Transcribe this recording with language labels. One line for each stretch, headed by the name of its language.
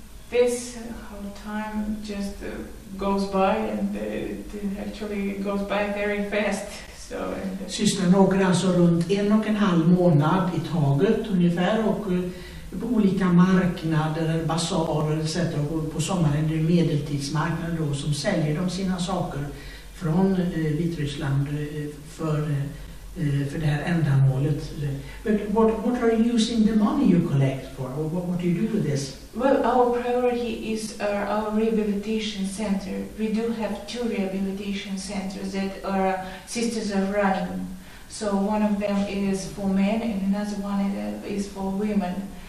English: This whole time just goes by, and it actually goes by very fast. So,
Swedish: systern åker alltså runt en och en halv månad i taget ungefär, och på olika marknader, basarer etc. Och på sommaren är det medeltidsmarknaden då, som säljer de sina saker från Vitryssland för det här ändamålet.
English: But what are you using the money you collect for? What do you do with this? Well, our priority is our rehabilitation center. We do have two rehabilitation centers that our sisters are running. So one of them is for men and another one is for women.